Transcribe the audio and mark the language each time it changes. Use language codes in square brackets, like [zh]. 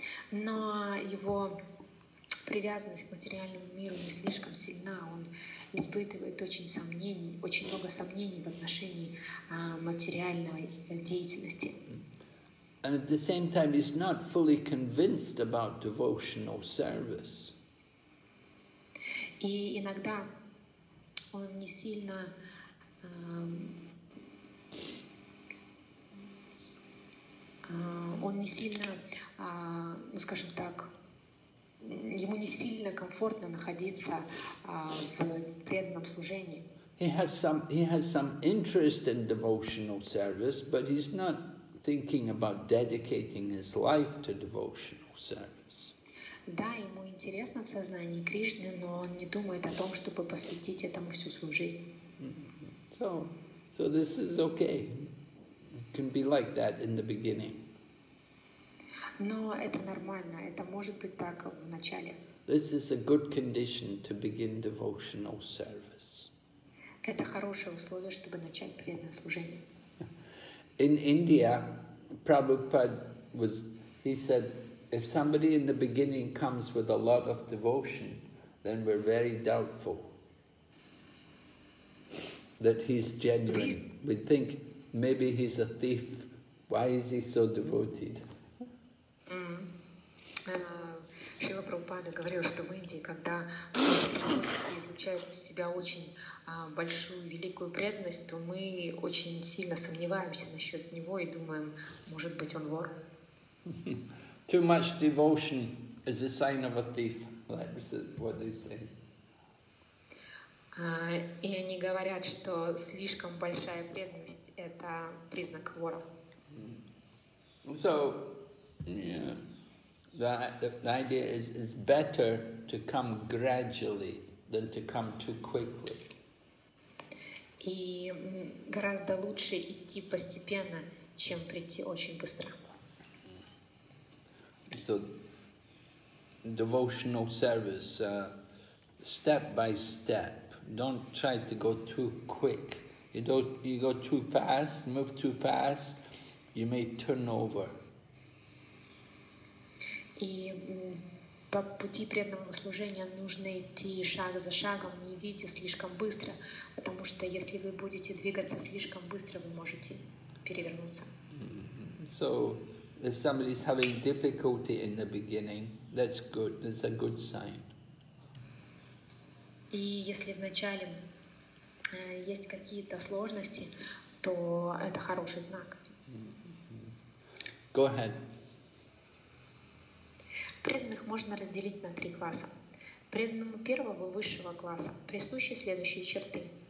[ru] Но его привязанность к материальному миру не слишком сильна. Он испытывает очень много сомнений в отношении материальной деятельности. [en] And at the same time, he's not fully convinced about devotional service. [ru] И иногда он не сильно ему не сильно комфортно находиться в преданном служении. [en] He has some interest in devotional service, but he's not thinking about dedicating his life to devotional service. [ru] Да, ему интересно в сознании Кришны, но он не думает о том, чтобы посвятить этому всю свою жизнь. [en] So this is okay. It can be like that in the beginning. [ru] Но это нормально. Это может быть так в начале. [en] This is a good condition to begin devotional service. [ru] Это хорошее условие, чтобы начать преданное служение. [en] In India, Prabhupada was, he said, if somebody in the beginning comes with a lot of devotion, then we're very doubtful that he's genuine. We think maybe he's a thief. Why is he so devoted? [ru] Шрила Прабхупада говорил, что в Индии, когда излучает из себя очень большую, великую преданность, то мы очень сильно сомневаемся насчет него и думаем, может быть, он вор. [en] Too much devotion is a sign of a thief. That's what they say. [ru] И они говорят, что слишком большая преданность – это признак вора. [en] So, yeah. The idea is better to come gradually than to come too quickly. [ru] И гораздо лучше идти постепенно, чем прийти очень быстро. [en] So, devotional service, step by step. Don't try to go too quick. You go too fast, move too fast, you may turn over. [ru] И по пути преданного служения нужно идти шаг за шагом, не идите слишком быстро, потому что если вы будете двигаться слишком быстро, вы можете перевернуться. [en] So, if somebody is having difficulty in the beginning, that's good, that's a good sign. [ru] И если вначале есть какие-то сложности, то это хороший знак. [en] Go ahead. [ru] Преданных можно разделить на три класса. Преданному первого высшего класса присущи следующие черты.